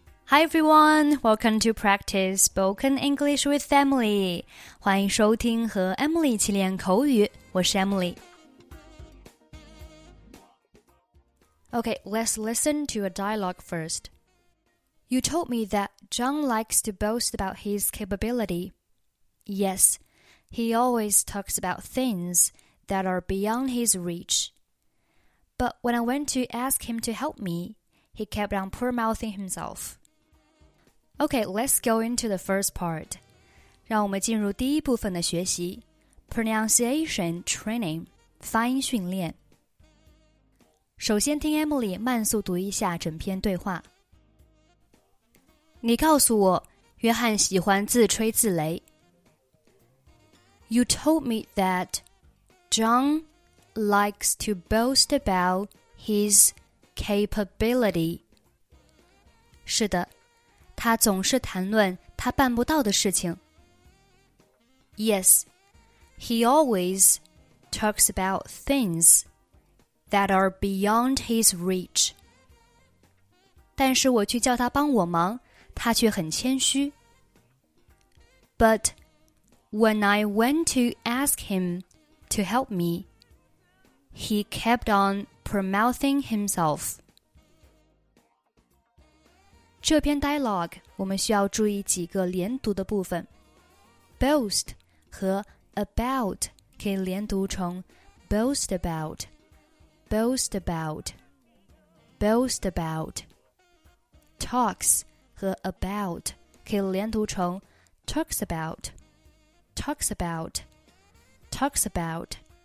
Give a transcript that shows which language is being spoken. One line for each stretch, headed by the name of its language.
English: Hi everyone, welcome to practice spoken English with Emily.
Chinese: 欢迎收听和 Emily 一起练口语，我是 Emily.
English: Okay, let's listen to a dialogue first. You told me that John likes to boast about his capability. Yes, he always talks about things that are beyond his reach. But when I went to ask him to help me, he kept on poor-mouthing himself. Okay, let's go into the first part.
Chinese: 让我们进入第一部分的学习
English: Pronunciation Training,
Chinese: 发音训练。首先听 Emily 慢速读一下整篇对话。你告诉我，约翰喜欢自吹自擂。
English: You told me that John likes to boast about his capability.
Chinese: 是的。他总是谈论他办不到的事情。
English: Yes, he always talks about things that are beyond his reach.
Chinese: 但是我去叫他帮我忙，他却很谦虚。
English: But when I went to ask him to help me, he kept on promoting himself.
Chinese: 这篇 dialogue 我们需要注意几个连读的部分 Boast 和 about 可以连读成
English: Boast about Boast about Boast about Talks
Chinese: 和 about 可以连读成
English: Talks about Talks about Talks about